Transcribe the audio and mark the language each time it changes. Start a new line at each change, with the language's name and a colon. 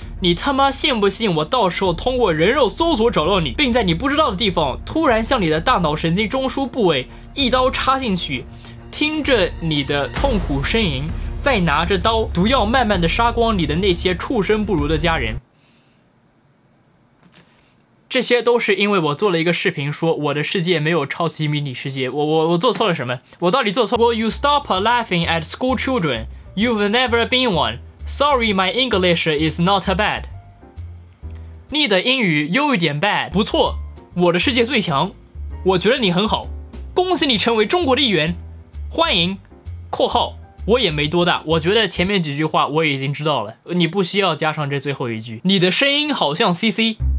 Chinese: 你他妈信不信我到时候通过人肉搜索找到你，并在你不知道的地方突然向你的大脑神经中枢部位一刀插进去，听着你的痛苦呻吟，再拿着刀毒药慢慢的杀光你的那些畜生不如的家人。这些都是因为我做了一个视频说我的世界没有抄袭迷你世界。我做错了什么？我到底做错了？
English: Will you stop laughing at school children? You've never been one. Sorry, my English is not bad.
Chinese: 你的英语有一点 bad. 不错，我的世界最强。我觉得你很好，恭喜你成为中国的一员，欢迎。括号，我也没多大，我觉得前面几句话我已经知道了，你不需要加上这最后一句。你的声音好像 CC。